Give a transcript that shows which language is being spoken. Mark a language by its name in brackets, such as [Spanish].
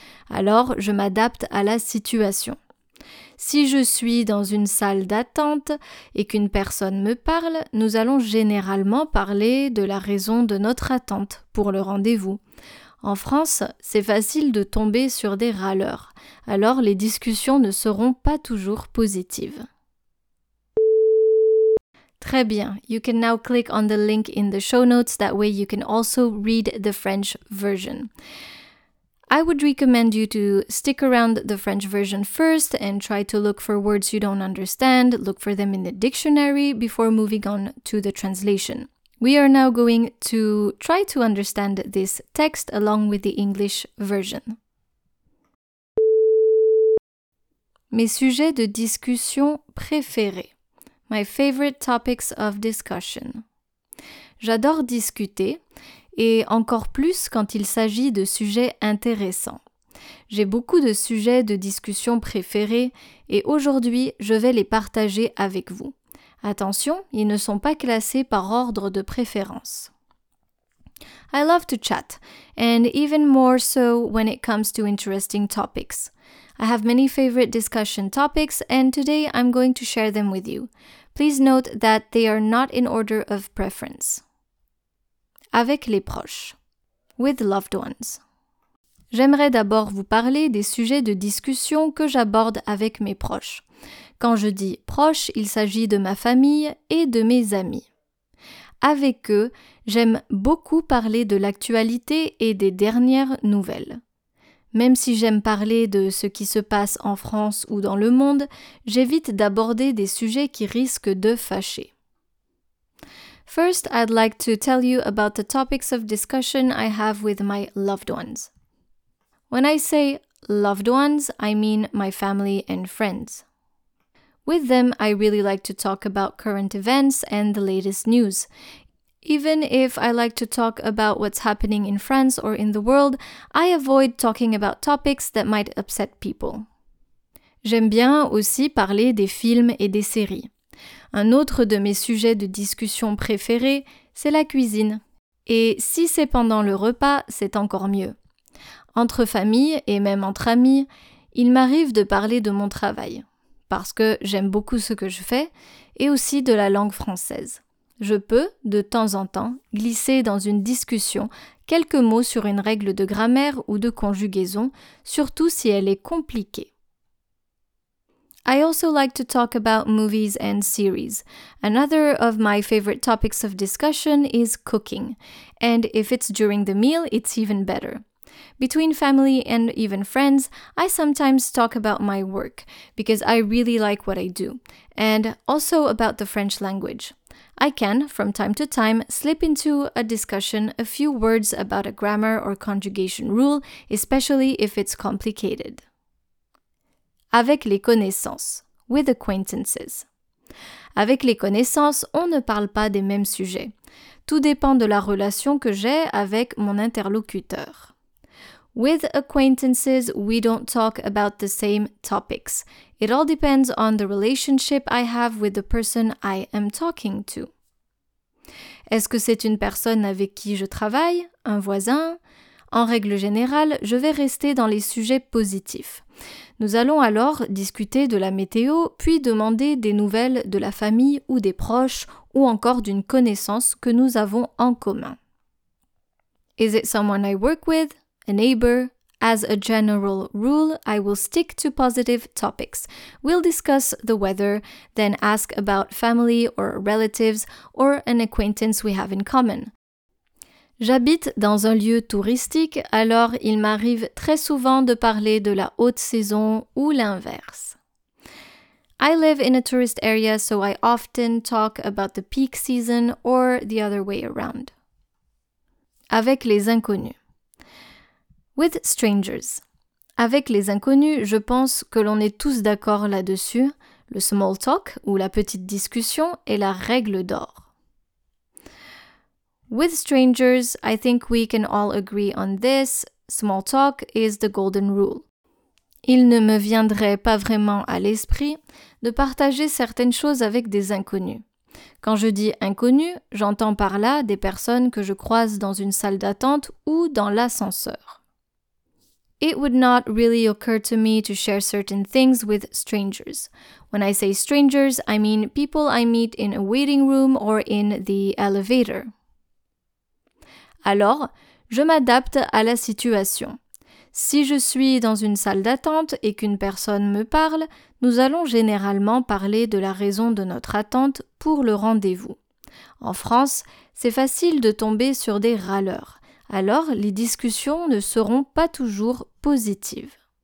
[French] Alors, je m'adapte à la situation. Si je suis dans une salle d'attente et qu'une personne me parle, nous allons généralement parler de la raison de notre attente pour le rendez-vous. En France, c'est facile de tomber sur des râleurs, alors les discussions ne seront pas toujours positives. Très bien, [English] you can now click on the link in the show notes, that way you can also read the French version. I would recommend you to stick around the French version first and try to look for words you don't understand, look for them in the dictionary before moving on to the translation. We are now going to try to understand this text along with the English version. [French] Mes sujets de discussion préférés. [English] My favorite topics of discussion. [French] J'adore discuter, et encore plus quand il s'agit de sujets intéressants. J'ai beaucoup de sujets de discussion préférés, et aujourd'hui, je vais les partager avec vous. Attention, ils ne sont pas classés par ordre de préférence. [English] I love to chat, and even more so when it comes to interesting topics. I have many favorite discussion topics, and today I'm going to share them with you. Please note that they are not in order of preference. [French] Avec les proches. [English] With loved ones. [French] J'aimerais d'abord vous parler des sujets de discussion que j'aborde avec mes proches. Quand je dis « proches », il s'agit de ma famille et de mes amis. Avec eux, j'aime beaucoup parler de l'actualité et des dernières nouvelles. Même si j'aime parler de ce qui se passe en France ou dans le monde, j'évite d'aborder des sujets qui risquent de fâcher. [English] First, I'd like to tell you about the topics of discussion I have with my loved ones. When I say loved ones, I mean my family and friends. With them, I really like to talk about current events and the latest news. Even if I like to talk about what's happening in France or in the world, I avoid talking about topics that might upset people. [French] J'aime bien aussi parler des films et des séries. Un autre de mes sujets de discussion préférés, c'est la cuisine. Et si c'est pendant le repas, c'est encore mieux. Entre famille et même entre amis, il m'arrive de parler de mon travail, parce que j'aime beaucoup ce que je fais, et aussi de la langue française. Je peux, de temps en temps, glisser dans une discussion quelques mots sur une règle de grammaire ou de conjugaison, surtout si elle est compliquée. [English] I also like to talk about movies and series. Another of my favorite topics of discussion is cooking. And if it's during the meal, it's even better. Between family and even friends, I sometimes talk about my work, because I really like what I do, and also about the French language. I can, from time to time, slip into a discussion a few words about a grammar or conjugation rule, especially if it's complicated. [French] Avec les connaissances, [English] with acquaintances. [French] Avec les connaissances, on ne parle pas des mêmes sujets. Tout dépend de la relation que j'ai avec mon interlocuteur. [English] With acquaintances, we don't talk about the same topics. It all depends on the relationship I have with the person I am talking to. [French] Est-ce que c'est une personne avec qui je travaille, un voisin? En règle générale, je vais rester dans les sujets positifs. Nous allons alors discuter de la météo, puis demander des nouvelles de la famille ou des proches, ou encore d'une connaissance que nous avons en commun. [English] Is it someone I work with? A neighbor? As a general rule, I will stick to positive topics. We'll discuss the weather, then ask about family or relatives or an acquaintance we have in common. [French] J'habite dans un lieu touristique, alors il m'arrive très souvent de parler de la haute saison ou l'inverse. [English] I live in a tourist area, so I often talk about the peak season or the other way around. [French] Avec les inconnus. With strangers. Avec les inconnus, je pense que l'on est tous d'accord là-dessus. Le small talk, ou la petite discussion, est la règle d'or. [English] With strangers, I think we can all agree on this. Small talk is the golden rule. [French] Il ne me viendrait pas vraiment à l'esprit de partager certaines choses avec des inconnus. Quand je dis inconnus, j'entends par là des personnes que je croise dans une salle d'attente ou dans l'ascenseur. [English] It would not really occur to me to share certain things with strangers. When I say strangers, I mean people I meet in a waiting room or in the elevator. [French] Alors, je m'adapte à la situation. Si je suis dans une salle d'attente et qu'une personne me parle, nous allons généralement parler de la raison de notre attente pour le rendez-vous. En France, c'est facile de tomber sur des râleurs. Alors, les discussions ne seront pas toujours positives.